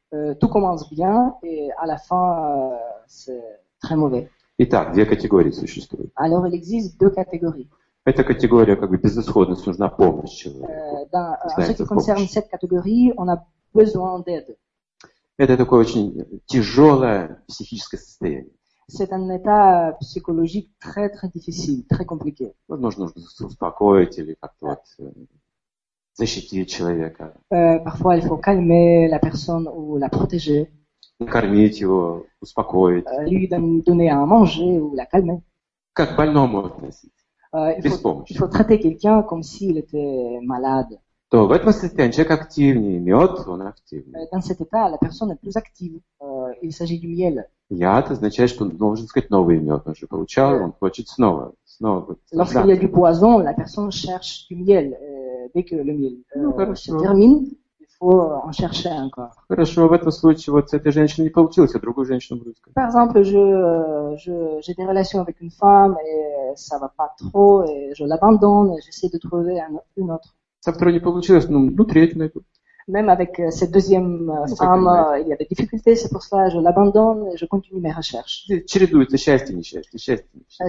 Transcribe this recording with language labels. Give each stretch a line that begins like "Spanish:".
French: Tout commence bien, et à la fin, c'est très mauvais.
Russian: Итак, две категории существуют.
French: Alors, il existe deux catégories.
Russian: Эта категория, как бы, безысходность, нужна помощь человеку.
French: En ce qui concerne cette catégorie, on a besoin d'aide.
Russian: Это такое очень тяжелое психическое состояние.
French: C'est un état psychologique très très difficile, très compliqué.
Russian: Возможно, нужно успокоить или как-то вот защитить человека.
French: Parfois, il faut calmer la personne ou la protéger.
Russian: Накормить его, успокоить.
French: Lui donner à manger ou la calmer.
Russian: Как больному относиться? Без помощи.
French: Il faut traiter quelqu'un comme s'il était malade.
Russian: То в этом состоянии человек активнее, мед, он активнее.
French: Dans cet état, la personne est plus active. Il s'agit du miel.
Russian: Яд означает, что он должен искать новый мед. Он же получал, он хочет снова.
French: Lorsqu'il y a du poison, la personne cherche du miel. Dès que le miel se termine, il faut en chercher encore.
Russian: Хорошо, в этом случае вот с этой женщиной не получилось, а другую женщину буду искать.
French: Par exemple, j'ai des relations avec une femme et ça va pas trop, et je l'abandonne et j'essaie de trouver une autre.
Russian: Со второй не получилось, ну третью найду.
French: Même avec cette deuxième femme, il y a des difficultés, c'est pour cela que je l'abandonne et je continue mes recherches.
Russian: Чередуется счастье, несчастье, счастье, несчастье.